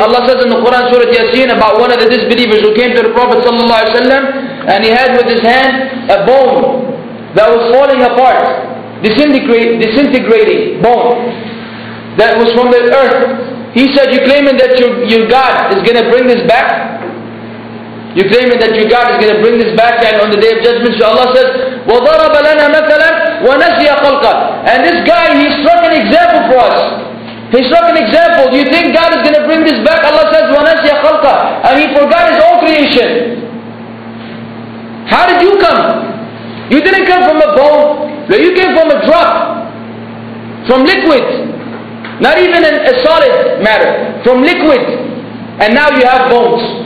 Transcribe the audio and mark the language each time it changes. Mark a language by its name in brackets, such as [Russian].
[English] Allah says in the Quran Surah Yasin about one of the disbelievers who came to the Prophet ﷺ and he had with his hand a bone that was falling apart, disintegrating bone that was from the earth. He said, you're claiming that your God is going to bring this back? You're claiming that your God is going to bring this back and on the day of judgment? So Allah says, [Arabic] وَضَرَبَ لَنَا مَثَلًا وَنَسِيَ خَلْقًا. [English] And this guy, he struck an example for us. He struck an example. Do you think God is going to bring this back? Allah says, [Arabic] وَنَسِيَ خَلْقًا. [English] And he forgot his own creation. How did you come? You didn't come from a bone. But you came from a drop. From liquid. Not even a solid matter. From liquid. And now you have bones.